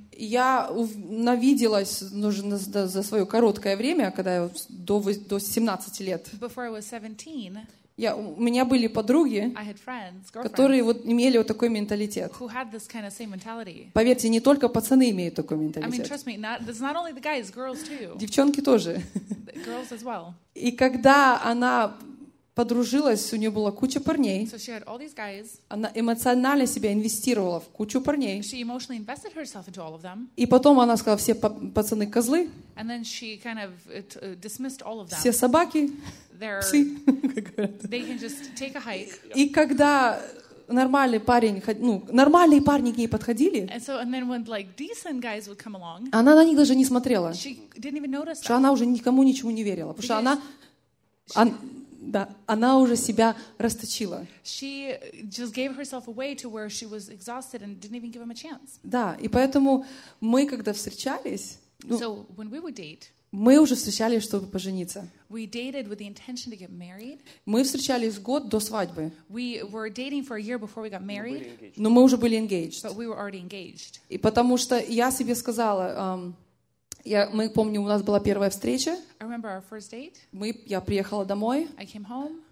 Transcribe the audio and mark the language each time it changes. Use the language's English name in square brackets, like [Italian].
[Russian] я навиделась, ну, за свое короткое время, когда я до 17 лет. [English] Before I was 17, [Russian] у меня были подруги, [English] I had friends, girlfriends, [Russian] которые вот имели вот такой менталитет. [English] Who had this kind of same mentality. [Russian] Поверьте, не только пацаны имеют такой менталитет. [English] I mean, trust me, it's not only the guys, girls too. [Russian] Девчонки тоже. [English] Girls as well. [Russian] И когда она подружилась, у нее была куча парней. [English] So she had all these guys. [Russian] Она эмоционально себя инвестировала в кучу парней. [English] She emotionally invested herself into all of them. [Russian] И потом она сказала, все пацаны козлы. [English] And then she kind of dismissed all of them. [Russian] Все собаки. [English] They're, [Russian] псы. [English] They can just take a hike. [Russian] И когда нормальный парень, ну, нормальные парни к ней подходили, [English] and so, and then when, like, decent guys would come along, [Russian] она на них даже не смотрела. [English] She didn't even notice [Russian] that. Что она уже никому ничего не верила. Потому что она... Да, она уже себя расточила. [English] She just gave herself away to where she was exhausted and didn't even give him a chance. [Russian] Да, и поэтому мы, когда встречались, [English] ну, so when we would date, [Russian] мы уже встречались, чтобы пожениться. [English] We dated with the intention to get married. [Russian] Мы встречались год до свадьбы. [English] We were dating for a year before we got married. [Russian] Но мы уже были engaged. [English] But we were already engaged. [Russian] И потому что я себе сказала, мы помним, у нас была первая встреча. [English] I remember our first date. [Russian] Я приехала домой. [English] I came home.